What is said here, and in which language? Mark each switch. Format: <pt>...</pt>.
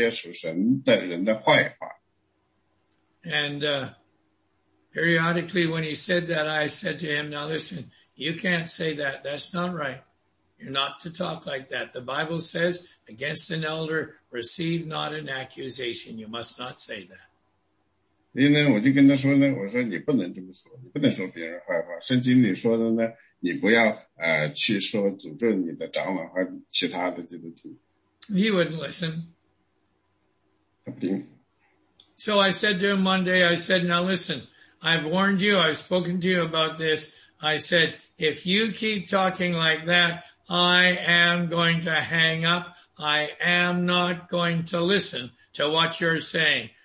<zh>所以在他们的交谈中呢,他通常去说一些属神的人的坏话。</zh> <en>And periodically when he said that, I said to him, now listen, you can't say that, that's not right. You're not to talk like that. The Bible says, against an elder, receive not an accusation. You must not say that.</en> <zh>所以呢,我就跟他说呢,我说你不能这么说,你不能说别人坏话,圣经里说的呢,你不要去说诅咒你的长老和其他的基督徒。</zh> <en>He wouldn't listen.</en> <zh>他不听。</zh> <en>So I said to him one day, I said, now listen, I've warned you, I've spoken to you about this. I said, if you keep talking like that, I am going to hang up. I am not going to listen to what you're saying.</en>